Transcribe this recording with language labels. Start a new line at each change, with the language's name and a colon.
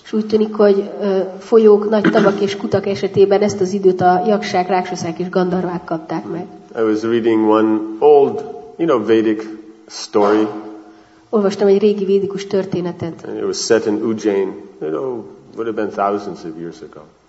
Hungarian: És úgy tűnik, hogy folyók, nagy tavak és kutak esetében ezt az időt a yakshák, rakshasák és gandharvák kapták meg.
English: I was reading one old, you know, Vedic story.
Hungarian: Olvastam egy régi védikus történetet.
English: It was set in Ujjain, you know, would have been thousands of years ago.